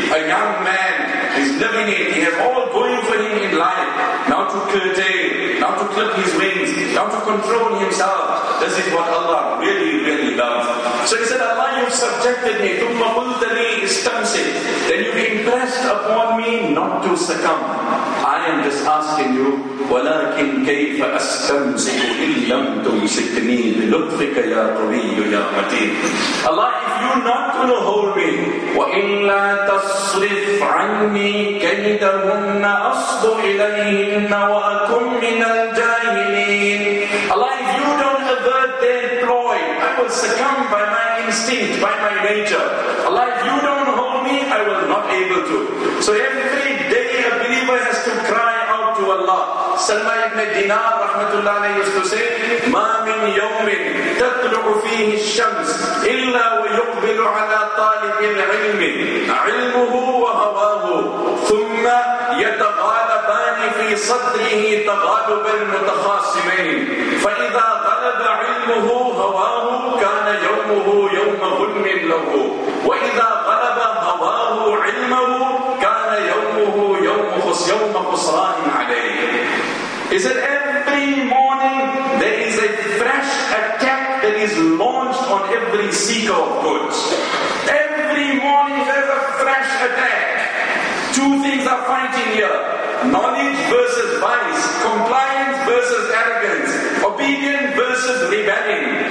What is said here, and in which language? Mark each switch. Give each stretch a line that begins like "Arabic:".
English: A young man is living it. He has all going for him in life. Now to curtail, now to clip his wings, now to control himself. This is what Allah really, really loves. So he said, Allah, you've subjected me.
Arabic: ثُمَّ قُلْتَ لِي إِسْتَمْسِكْ.
English: Then you've impressed upon me not to succumb. I am just asking you,
Arabic: وَلَكِنْ كَيْفَ أَسْتَمْسِكُ إِلَّمْ تُمْسِكْنِي بِلُطْفِكَ يَا قَوِيُّ يَا مَتِينَ.
English: Allah, if you're not going to hold me,
Arabic: وَإِلَّا تَصْرِفْ عَنِّي كَيْدَهُنَّ أَصْدُ إِلَيْهِنَّ وَأَكُمْ مِنَ الْجَاهِلِينَ.
English: Allah, if you don't avert their ploy, I will succumb by my instinct, by my nature. Allah, if you don't hold me, I will not be able to. So every day a believer has to cry out to Allah. Salman ibn Dinar rahmatullah alayhi used to say,
Arabic: مَا مِنْ يَوْمٍ تَطْلُعُ فِيهِ الشَّمْسِ إِلَّا يقبل على طالب العلم علمه وهواه ثم يتغالبان في صدره تغالب المتخاصمين فإذا غلب علمه هواه كان يومه يوم ظلم له وإذا غلب هواه علمه كان يومه يوم خسران عليه.
English: Is it every morning there is a fresh attack that is launched on every seeker of good? Every morning there's a fresh attack. Two things are fighting here: knowledge versus vice, compliance versus arrogance, obedience versus rebellion.